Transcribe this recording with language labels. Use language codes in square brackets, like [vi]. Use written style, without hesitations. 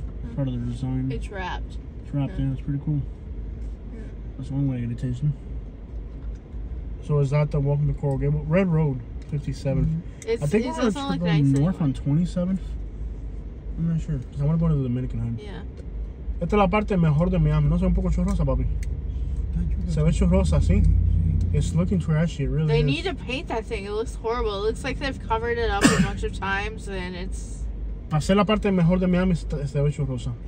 [en] Huh. Part of the design. It's wrapped. It's wrapped, yeah. It's pretty cool. Yeah. That's one way to get attention. So is that the Welcome to Coral Gables? Red Road, 57th. Mm-hmm. I think we're going to go north on 27th. I'm not sure. Because I want to go to the Dominican hood. Yeah. [es] Esta es la parte mejor de Miami. No sé, un poco chorrosa, papi. Se ve churrosa, sí. [en] It's looking trashy, it really they is. They need to paint that thing, it looks horrible. It looks like they've covered it up a bunch of times and it's. [es] Pasé la parte mejor de Miami, se ve churrosa.